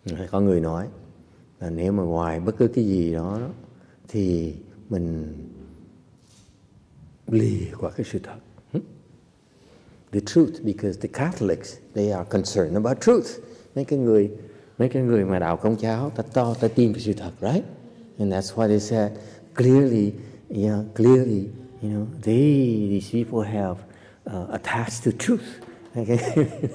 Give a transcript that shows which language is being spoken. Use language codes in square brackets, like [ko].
[vi] Có người nói là nếu mà ngoài bất cứ cái gì đó thì mình lìa qua cái sự thật. [en] The truth, because the Catholics, they are concerned about truth. [vi] Mấy cái người mà đạo Công giáo ta tin về sự thật, right? [en] And that's why they said clearly, you know, these people have attached to truth. Okay.